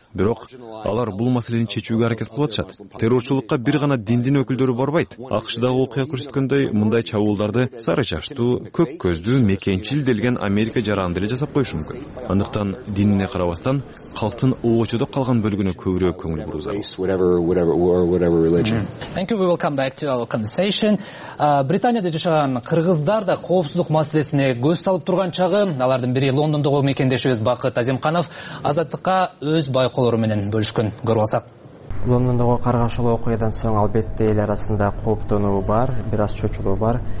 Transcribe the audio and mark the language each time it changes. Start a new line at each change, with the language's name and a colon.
Kyrgyz: Бирок алар бул маселени чечүүгө аракет кылып атышат. Террорчулукка бир гана диндин өкүлдөрү барбайт. АКШ-дагы окуя көрсөткөндөй, мындай чабуулдарды сары чачтуу, көк көздүү, мекенчил делген Америка жараанды эле жасап коюшу мүмкүн. Андыктан динине карабастан, калктын оочодо калган бөлүгүнө көбүрөөк көңүл буруу зарыл.
English: Thank you, we will come back to our conversation.
Kyrgyz: Британияда жашаган кыргыздар да коопсуздук маселесине көз салып турган чагы. Алардын бири Лондондогу мекендешибиз Бакыт Азимканов азаттыкка өз байкоолору менен бөлүшкөн. Көрүп алсак, Лондондогу каргашылуу окуядан соң албетте эл арасында кооптонуу бар, бир аз чочулуу бар.